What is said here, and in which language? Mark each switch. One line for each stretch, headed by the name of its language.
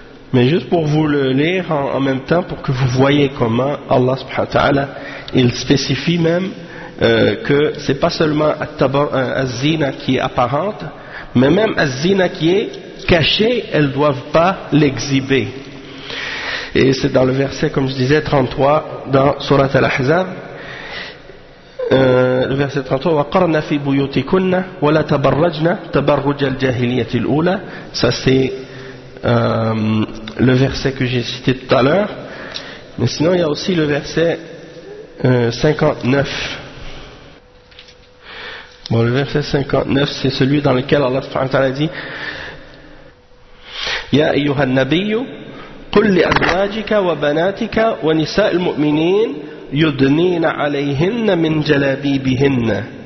French: Mais juste pour vous le lire en même temps, pour que vous voyez comment Allah subhanahu wa ta'ala, il spécifie même que c'est pas seulement az-zina qui est apparente, mais même az-zina qui est cachée, elles ne doivent pas l'exhiber. Et c'est dans le verset, comme je disais, 33 dans Surat Al-Ahzab. Le verset 33,
Arabic: وَقَرْنَا فِي بُيُوتِكُنَّ وَلَا تَبَرَّجْنَا تَبَرُّجَ الْجَاهِلِيَةِ الْأُولَى.
French: Ça c'est le verset que j'ai cité tout à l'heure. Mais sinon il y a aussi le verset 59. Bon, le verset 59 c'est celui dans lequel Allah subhanahu wa ta'ala dit
Arabic: يا أيها النبي قل لأزواجك وبناتك ونساء المؤمنين يدنين عليهن من جلابيبهن.